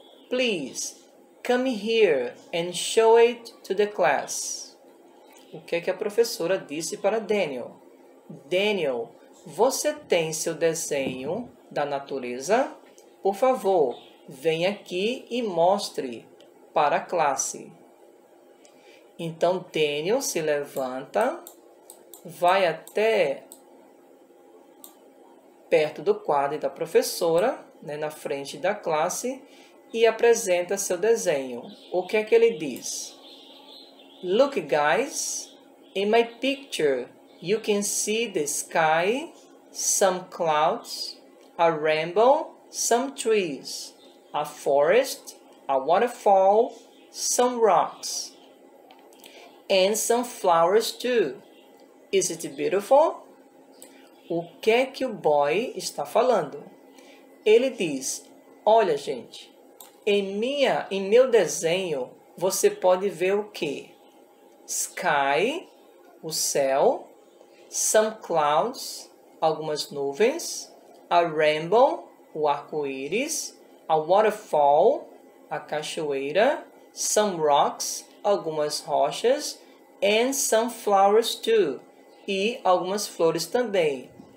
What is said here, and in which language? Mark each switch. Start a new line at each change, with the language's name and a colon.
English: Please, come here and show it to the class.
Portuguese: O que é que a professora disse para Daniel? Daniel, você tem seu desenho da natureza? Por favor, venha aqui e mostre para a classe. Então Daniel se levanta, vai até perto do quadro da professora, né, na frente da classe, e apresenta seu desenho. O que é que ele diz?
English: Look, guys. In my picture, you can see the sky, some clouds, a rainbow, some trees, a forest, a waterfall, some rocks, and some flowers too. Is it beautiful?
Portuguese: O que é que o boy está falando? Ele diz: Olha, gente, em meu desenho você pode ver o quê?
English: Sky.
Portuguese: O céu,
English: some clouds,
Portuguese: algumas nuvens,
English: a rainbow,
Portuguese: o arco-íris,
English: a waterfall,
Portuguese: a cachoeira,
English: some rocks,
Portuguese: algumas rochas,
English: and some flowers too,
Portuguese: e algumas flores também.